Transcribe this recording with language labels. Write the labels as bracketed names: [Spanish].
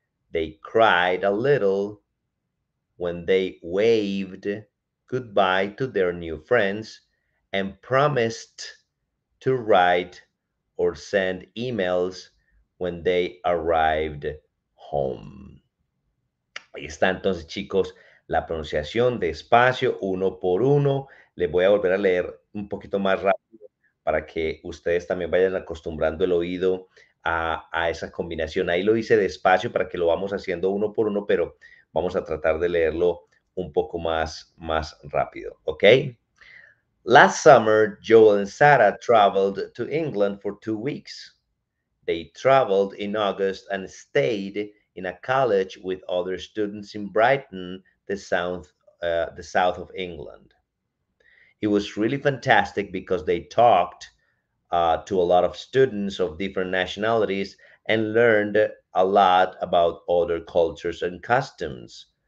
[English] They cried a little when they waved goodbye to their new friends and promised to write or send emails when they arrived home. [Spanish] Ahí está entonces, chicos, la pronunciación despacio, uno por uno. Les voy a volver a leer un poquito más rápido para que ustedes también vayan acostumbrando el oído a esa combinación. Ahí lo hice despacio para que lo vamos haciendo uno por uno, pero vamos a tratar de leerlo un poco más rápido, ¿ok? [English] Last summer, Joel and Sarah traveled to England for 2 weeks. They traveled in August and stayed in a college with other students in Brighton, the south of England. It was really fantastic because they talked to a lot of students of different nationalities and learned a lot about other cultures and customs.